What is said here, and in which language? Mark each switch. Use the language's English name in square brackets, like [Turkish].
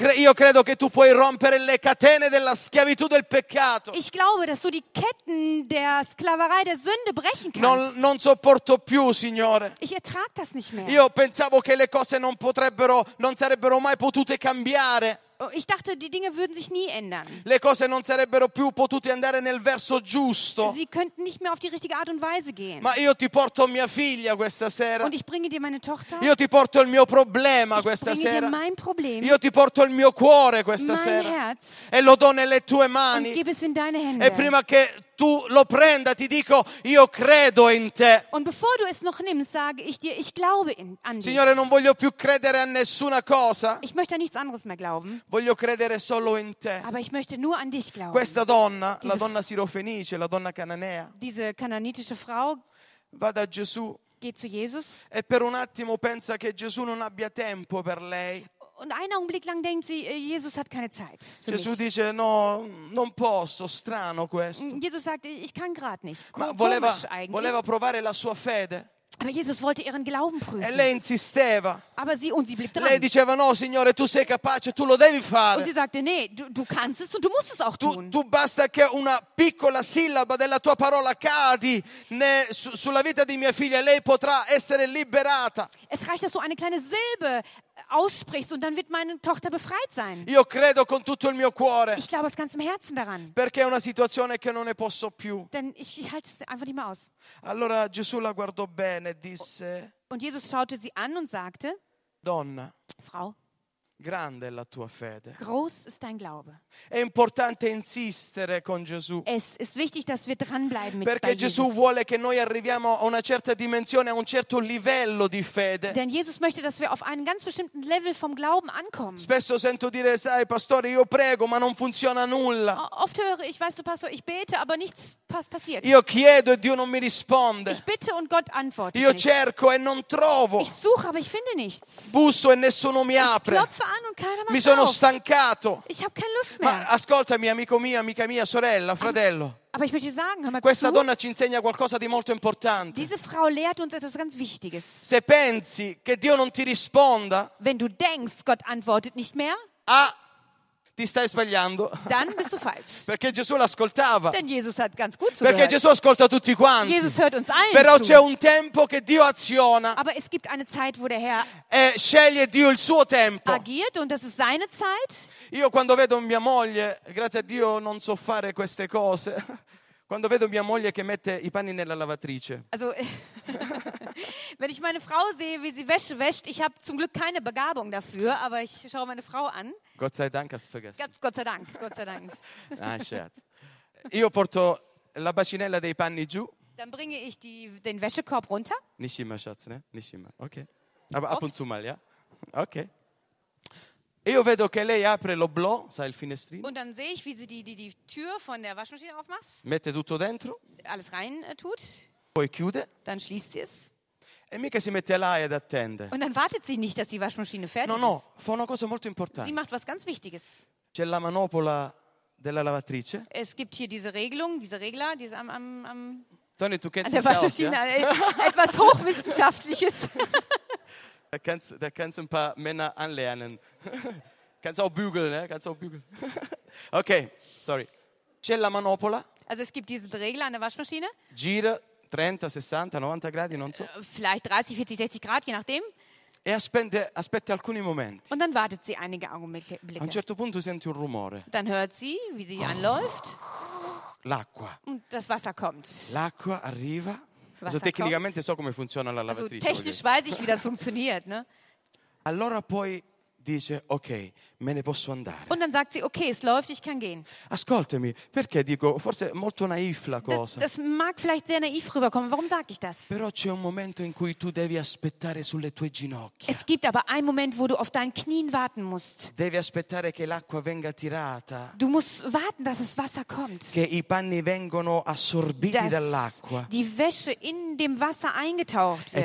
[Italian] Io credo che tu puoi rompere le catene della schiavitù del peccato. [German] Ich glaube, dass du die Ketten der Sklaverei der Sünde brechen kannst. [Italian] Non sopporto più, Signore. [German] Ich ertrag das nicht mehr. [Italian] Io pensavo che le cose non sarebbero mai potute cambiare. [German] Ich dachte, die Dinge würden sich nie ändern. [Italian] Le cose non sarebbero più potute andare nel verso giusto. [German] Sie könnten nicht mehr auf die richtige Art und Weise gehen. [Italian] Ma io ti porto mia figlia questa sera. [German] Und ich bringe dir meine Tochter. [Italian] Io ti porto il mio problema [German] ich [Italian] questa [German] bringe [Italian] sera. [German] Dir mein Problem. [Italian] Io ti porto il mio cuore questa [German] mein [Italian] sera. [German] Mein Herz. [Italian] E lo do nelle tue mani. [German] Und gib es in deine Hände. [Italian] E prima che tu lo prenda, ti dico, io credo in te. [German] Und bevor du es noch nimmst, sage ich dir, ich glaube an dich. [Italian] Signore, non voglio più credere a nessuna cosa. [German] Ich möchte an nichts anderes mehr glauben. [Italian] Voglio credere solo in te. [German] Aber ich möchte nur an dich glauben. [Italian] Questa donna, la donna sirofenice, la donna cananea. [German] Diese kananitische Frau. [Italian] Va da Gesù. [German] Geht zu Jesus. [Italian] E per un attimo pensa che Gesù non abbia tempo per lei. [German] Und einen Augenblick lang denkt sie, Jesus hat keine Zeit. [Italian] Gesù dice, no, non posso, strano questo. [German] Jesus sagt, ich kann gerade nicht. [Italian] Voleva provare la sua fede. [German] Aber Jesus wollte ihren Glauben prüfen. [Italian] E lei insisteva. [German] Aber sie blieb dran. [Italian] Lei diceva, no, Signore, tu sei capace, tu lo devi fare. [German] Und sie sagte, nee, du kannst es und du musst es auch tun. [Italian] Tu basta che una piccola sillaba della tua parola cadi sulla vita di mia figlia, lei potrà essere liberata. [German] Es reicht, dass du eine kleine Silbe aussprichst und dann wird meine Tochter befreit sein. [Italian] Io credo con tutto il mio cuore. [German] Ich glaube aus ganzem Herzen daran. [Italian] Perché è una situazione che non ne posso più. [German] Denn ich halte es einfach nicht mehr aus. [Italian] Allora Gesù la guardò bene e disse. [German] Und Jesus schaute sie an und sagte: [Italian] Donna, [German] Frau, [Italian] grande è la tua fede. [German] Groß ist dein Glaube. [Italian] È importante insistere con Gesù. [German] Es ist wichtig, dass wir dranbleiben mit [Italian] Perché Gesù [German] Jesus. [Italian] Vuole che noi arriviamo a una certa dimensione, a un certo livello di fede. [German] Denn Jesus möchte, dass wir auf einen ganz bestimmten Level vom Glauben ankommen. [Italian] Spesso sento dire, sai, pastore, io prego, ma non funziona nulla. [German] Oft höre ich, weißt du, Pastor, ich bete, aber nichts passiert. [Italian] Io chiedo e Dio non mi risponde. [German] Ich bitte und Gott antwortet nicht. [Italian] Io cerco e non trovo. [German] Ich suche, aber ich finde nichts. [Italian] Busso e nessuno mi apre. [German] An und keiner macht [Italian] mi sono [German] auf. [Italian] Stancato. [German] Ich habe keine Lust mehr. [Italian] Ma ascoltami, amico mio, amica mia, sorella, fratello. [German] Aber ich möchte sagen, hör mal [Italian] questa [German] zu, [Italian] donna ci insegna qualcosa di molto importante. [German] Diese Frau lehrt uns etwas ganz Wichtiges. [Italian] Se pensi che Dio non ti risponda, [German] wenn du denkst, Gott antwortet nicht mehr, [Italian] ti stai sbagliando. [German] Dann bist du falsch. [Italian] Perché Gesù l'ascoltava. [German] Denn Jesus hat ganz gut zugehört. [Italian] Perché Gesù ascolta tutti quanti. [German] Jesus hört uns allen [Italian] Però [German] zu. [Italian] C'è un tempo che Dio aziona. [German] Aber es gibt eine Zeit, wo der Herr [Italian] e sceglie Dio il suo tempo. [German] Agiert und das ist seine Zeit. [Italian] Io quando vedo mia moglie, grazie a Dio non so fare queste cose. Quando vedo mia moglie che mette i panni nella lavatrice. [German] Also, wenn ich meine Frau sehe, wie sie Wäsche wäscht, ich habe zum Glück keine Begabung dafür, aber ich schaue meine Frau an. Gott sei Dank hast du vergessen. Gott sei Dank. Nein, Scherz. [Italian] Io porto la bacinella dei panni giù. [German] Dann bringe ich den Wäschekorb runter. Nicht immer, Schatz, ne? Nicht immer. Okay. Aber ab und zu mal, ja? Okay. [Italian] Io vedo che lei apre l'oblò, sai il finestrino. [German] Und dann sehe ich, wie sie die Tür von der Waschmaschine aufmacht. [Italian] Mette tutto dentro. [German] Alles rein tut. [Italian] Poi chiude. [German] Dann schließt sie es. [Italian] E mica si mette là ed attende. [German] Und dann wartet sie nicht, dass die Waschmaschine fertig ist. [Italian] No, fa una cosa molto importante. [German] Sie macht was ganz Wichtiges. [Italian] C'è la manopola della lavatrice. [German] Es gibt hier diese Regelung, diese Regler, die ist am Tony, du kennst an der Waschmaschine, ja? Etwas Hochwissenschaftliches. Da kannst du ein paar Männer anlernen. Kannst auch bügeln, ne? Kannst auch bügeln. Okay, sorry. [Italian] C'è la manopola. [German] Also es gibt diese Regler an der Waschmaschine. [Italian] Gira 30, 60, 90 gradi, non so. [German] Vielleicht 30, 40, 60 Grad, je nachdem. [Italian] E aspetta alcuni momenti. [German] Und dann wartet sie einige Augenblicke. [Italian] A un certo punto sente un rumore. [German] Dann hört sie, wie sie anläuft. [Italian] L'acqua. [German] Und das Wasser kommt. [Italian] L'acqua arriva. Also tecnicamente so come funziona la lavatrice. [German] Also technisch weiß ich, wie das funktioniert, ne? [Italian] Allora poi dice, ok, me ne posso andare. [German] Und dann sagt sie, okay, es läuft, ich kann gehen. [Italian] Ascoltami, perché dico, forse molto naif la cosa. [German] Das mag vielleicht sehr naiv rüberkommen, warum sag ich das? [Italian] Però c'è un momento in cui tu devi aspettare sulle tue ginocchia. [German] Es gibt aber einen Moment, wo du auf deinen Knien warten musst. [Italian] Devi aspettare che l'acqua venga tirata. [German] Du musst warten, dass das Wasser kommt. [Italian] Che i panni vengono assorbiti dall'acqua. [German] Die Wäsche in dem Wasser eingetaucht wird.